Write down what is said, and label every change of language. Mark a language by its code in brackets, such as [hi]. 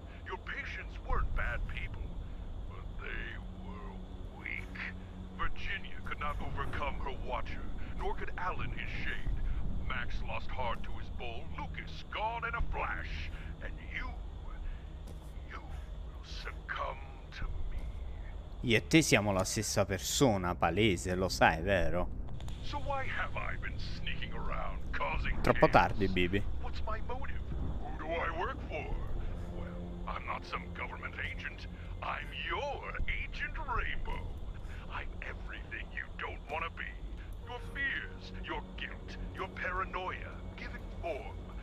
[en] Your patients weren't bad people, but they were weak. Virginia could not overcome her watcher, nor could Alan his shade. Max lost heart to his bull, Lucas gone in a flash, and you will succumb to me. [it] Io e te siamo la stessa persona, palese, lo sai, vero? [en] So why have I been sneaking around, causing chaos? [it] Troppo tardi, Bibi. [en] What's my motive? Who do I work for? Well, I'm not some government agent. I'm your Agent Rainbow. I'm everything you don't want to be. Your fears, your guilt, your paranoia, giving form.